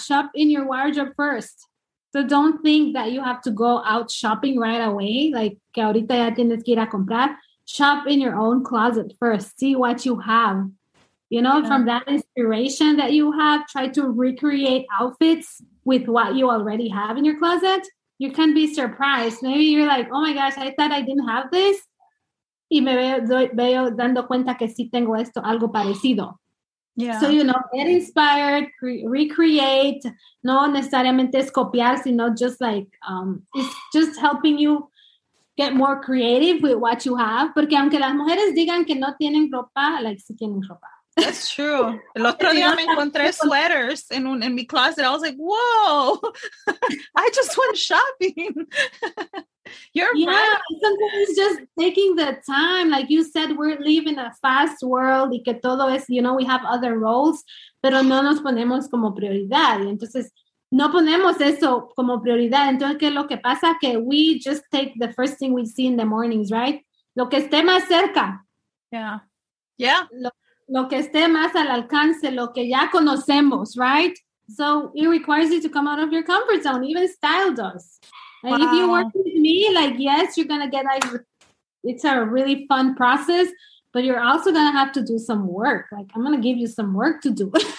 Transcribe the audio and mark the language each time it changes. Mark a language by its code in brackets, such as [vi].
[en] Shop in your wardrobe first. So don't think that you have to go out shopping right away, like [es] que ahorita ya tienes que ir a comprar. [en] Shop in your own closet first. See what you have. You know, yeah. From that inspiration that you have, try to recreate outfits with what you already have in your closet. You can be surprised. Maybe you're like, oh my gosh, I thought I didn't have this. [es] Y me veo dando cuenta que sí tengo esto, algo parecido. [en] Yeah. So, you know, get inspired, recreate, [es] no necesariamente es copiar, sino [en] just like, it's just helping you get more creative with what you have. [es] Porque aunque las mujeres digan que no tienen ropa, like, sí tienen ropa. [en] That's true. [es] El otro día me encontré [en] sweaters in my closet. I was like, whoa, I just went shopping. You're yeah, right. Sometimes just taking the time. Like you said, we're living a fast world [es] y que todo es, [en] you know, we have other roles, [es] pero no nos ponemos como prioridad. Y entonces, no ponemos eso como prioridad. Entonces, ¿qué es lo que pasa? [en] Que we just take the first thing we see in the mornings, right? [es] Lo que esté más cerca. [en] Yeah. Yeah. [es] Lo que esté más al alcance, lo que ya conocemos, right? [en] So it requires you to come out of your comfort zone. Even style does. And wow. If you work with me, like, yes, you're going to get, like, it's a really fun process, but you're also going to have to do some work. Like, I'm going to give you some work to do.